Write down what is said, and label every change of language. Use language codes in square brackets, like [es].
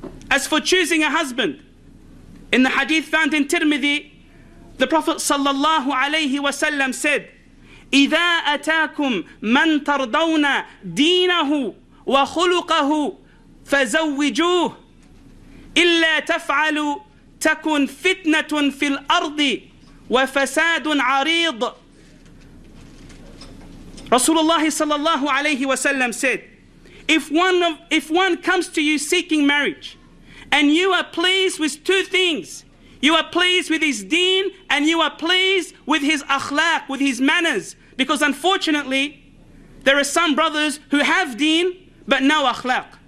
[en] As for choosing a husband, in the hadith found in Tirmidhi, the Prophet sallallahu alayhi wa sallam said, [ar] "Idha atakum man tardawna deenahu wa khuluqahu fazawwijuh." إلا تفعلوا تكن فتنة في الأرض وفساد عريض. [en] Rasulullah sallallahu alayhi wa sallam said, if one comes to you seeking marriage and you are pleased with two things, you are pleased with his deen and you are pleased with his akhlaq, with his manners, because unfortunately there are some brothers who have deen but no akhlaq.